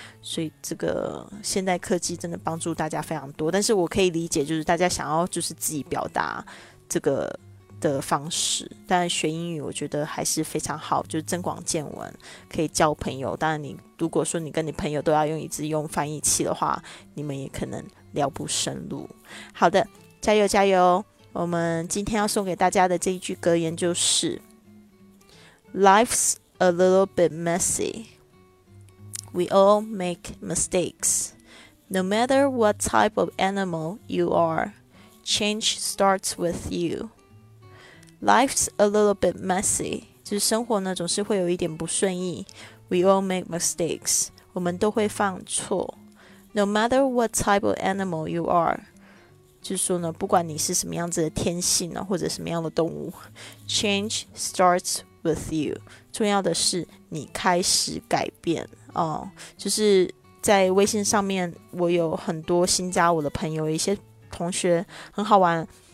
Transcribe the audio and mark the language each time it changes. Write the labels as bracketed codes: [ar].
[zh] 所以这个现代科技真的帮助大家非常多，但是我可以理解就是大家想要就是自己表达这个的方式，但学英语我觉得还是非常好，就是增广见闻，可以交朋友。当然你如果说你跟你朋友都要一直用翻译器的话，你们也可能聊不深入。好的，加油加油。我们今天要送给大家的这一句格言就是 [en] Life's a little bit messy, we all make mistakes. No matter what type of animal you are, change starts with youLife's a little bit messy. [zh] 就是生活呢总是会有一点不顺意。 [en] We all make mistakes. [zh] 我们都会犯错。 [en] No matter what type of animal you are. [zh] 就是说呢，不管你是什么样子的天性呢，或者什么样的动物。 [en] Change starts with you. [zh] 重要的是你开始改变。就是在微信上面我有很多新加我的朋友，一些同学很好玩。